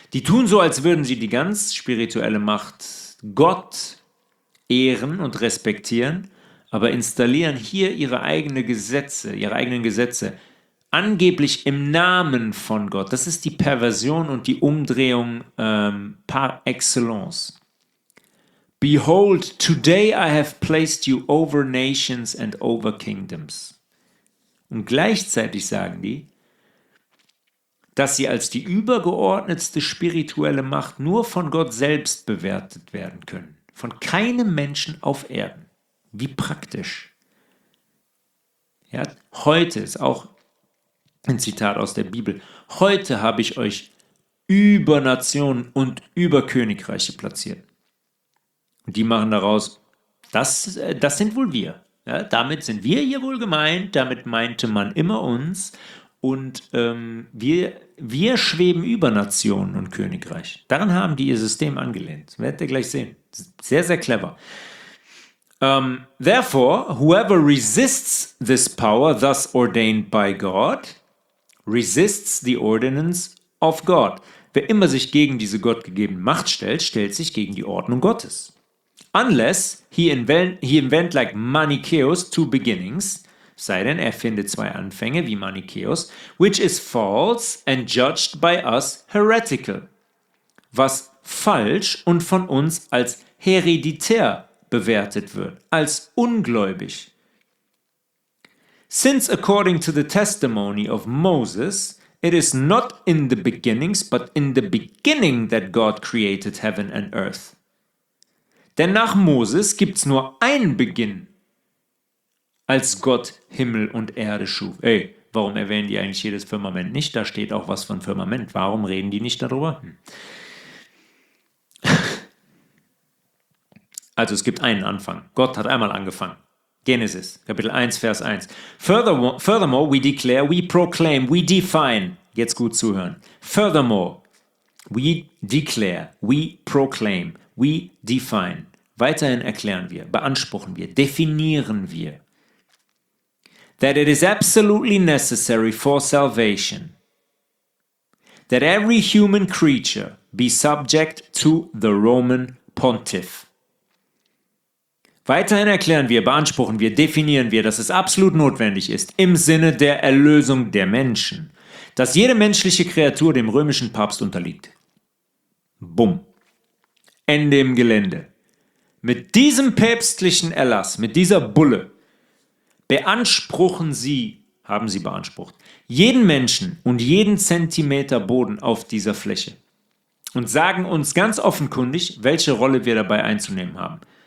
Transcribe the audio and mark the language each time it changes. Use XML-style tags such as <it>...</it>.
<de>Die tun so, als würden sie die ganz spirituelle Macht Gott ehren und respektieren, aber installieren hier ihre eigenen Gesetze, angeblich im Namen von Gott. Das ist die Perversion und die Umdrehung par excellence.</de> <en>Behold, today I have placed you over nations and over kingdoms.</en> <de>Und gleichzeitig sagen die, dass sie als die übergeordnetste spirituelle Macht nur von Gott selbst bewertet werden können. Von keinem Menschen auf Erden. Wie praktisch. Ja, heute ist auch ein Zitat aus der Bibel. Heute habe ich euch über Nationen und über Königreiche platziert. Und die machen daraus, das sind wohl wir. Ja, damit sind wir hier wohl gemeint, damit meinte man immer uns. Und wir schweben über Nationen und Königreich. Daran haben die ihr System angelehnt. Werdet ihr gleich sehen. Sehr, sehr clever.</de> <en>Therefore, whoever resists this power thus ordained by God, resists the ordinance of God.</en> <de>Wer immer sich gegen diese gottgegebene Macht stellt, stellt sich gegen die Ordnung Gottes.</de> <en>Unless he invent like Manichaeus two beginnings,</en> <de>sei denn er findet zwei Anfänge wie Manichaeus,</de> <en>which is false and judged by us heretical,</en> <de>was falsch und von uns als hereditär bewertet wird, als ungläubig.</de> <en>Since according to the testimony of Moses, it is not in the beginnings, but in the beginning that God created heaven and earth.</en> <de>Denn nach Moses gibt's nur einen Beginn, als Gott Himmel und Erde schuf. Ey, warum erwähnen die eigentlich jedes Firmament nicht? Da steht auch was von Firmament. Warum reden die nicht darüber? Also es gibt einen Anfang. Gott hat einmal angefangen. Genesis, Kapitel 1, Vers 1.</de> <en>Furthermore, we declare, we proclaim, we define.</en> <de>Jetzt gut zuhören.</de> <en>Furthermore, we declare, we proclaim, we define.</en> <de>Weiterhin erklären wir, beanspruchen wir, definieren wir.</de> <en>That it is absolutely necessary for salvation. That every human creature be subject to the Roman Pontiff.</en> <de>Weiterhin erklären wir, beanspruchen wir, definieren wir, dass es absolut notwendig ist, im Sinne der Erlösung der Menschen, dass jede menschliche Kreatur dem römischen Papst unterliegt. Bumm. Ende im Gelände. Mit diesem päpstlichen Erlass, mit dieser Bulle, haben sie beansprucht, jeden Menschen und jeden Zentimeter Boden auf dieser Fläche und sagen uns ganz offenkundig, welche Rolle wir dabei einzunehmen haben.</de>